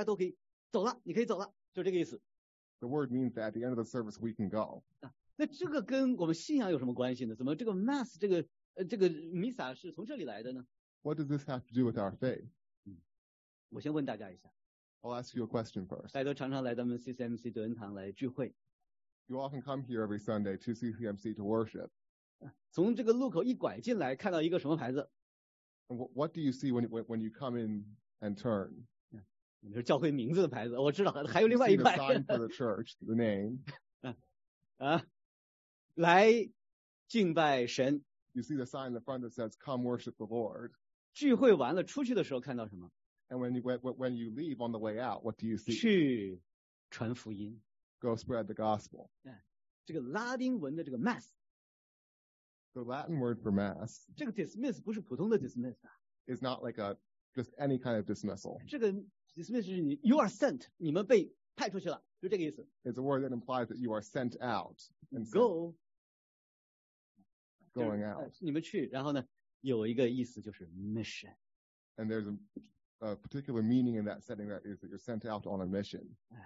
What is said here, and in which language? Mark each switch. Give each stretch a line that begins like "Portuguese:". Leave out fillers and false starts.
Chinese: 就是到这个聚会结束的时候，我们大家都可以走了，你可以走了，就这个意思。
English: The word means that at the end of the service we can go.
Chinese: 那这个跟我们信仰有什么关系呢？怎么这个 Mass 这个 这个弥撒是从这里来的呢?
English: What does this have to do with our faith?
Chinese: 我先问大家一下。
English: I'll ask you a question first.
Chinese: 大家都常常来咱们CCMC德恩堂来聚会。
English: You often come here every Sunday to CCMC to worship.
Chinese: 从这个路口一拐进来看到一个什么牌子?
English: What do you see when you come in and turn?
Chinese: 你说教会名字的牌子, 我知道,还有另外一块。
English: You see the sign for the church, the name.
Chinese: 来敬拜神。
English: You see the sign in the front that says, come worship the Lord.
Chinese: 聚会完了,出去的时候看到什么?
English: And when you leave on the way out, what do you see?
Chinese: 去传福音。
English: Go spread the gospel.
Chinese: 这个拉丁文的这个 Mass.
English: The Latin word for Mass.
Chinese: 这个 dismiss不是普通的 dismiss.
English: Is not like a, just any kind of dismissal.
Chinese: 这个 dismiss是你,
English: you are sent,
Chinese: 你们被派出去了, 就这个意思。
English: It's a word that implies that you are sent out. And go. Going out.
Chinese: 你们去, 然后呢, 有一个意思就是 mission.
English: And there's a particular meaning in that setting that is that you're sent out on a mission.